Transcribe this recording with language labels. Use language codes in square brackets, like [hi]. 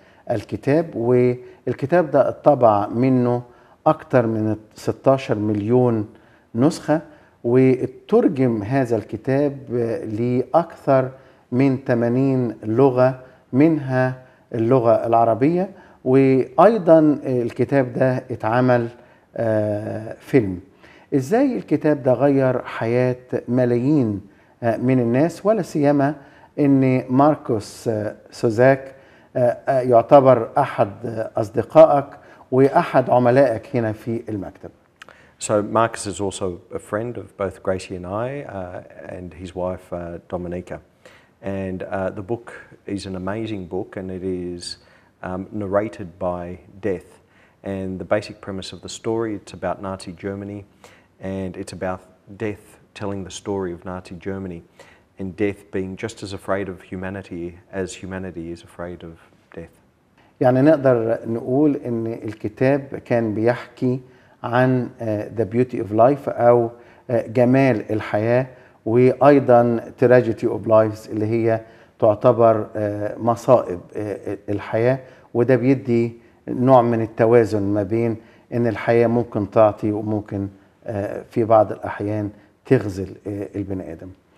[ar] الكتاب, والكتاب ده طبع منه أكتر من 16 مليون نسخة, وترجم هذا الكتاب لأكثر من 80 لغة منها اللغة العربية, وأيضا الكتاب ده اتعمل فيلم. إزاي الكتاب ده غير حياة ملايين من الناس, ولا سيما إن ماركوس سوزاك يعتبر أحد أصدقائك وأحد عملائك هنا في المكتب؟ [en] So Marcus is also a friend of both Gracie and I, and his wife Dominica. And the book is an amazing book, and it is narrated by death. And the basic premise of the story, it's about Nazi Germany, and it's about death telling the story of Nazi Germany, and death being just as afraid of humanity as humanity is afraid of death. [ar] يعني نقدر نقول إن الكتاب كان بيحكي عن [en] the beauty of life, [ar] أو جمال الحياة, وأيضا [en] tragedy of lives [ar] اللي هي تعتبر مصائب الحياة, وده بيدي نوع من التوازن ما بين إن الحياة ممكن تعطي وممكن في بعض الأحيان تغزل البني آدم.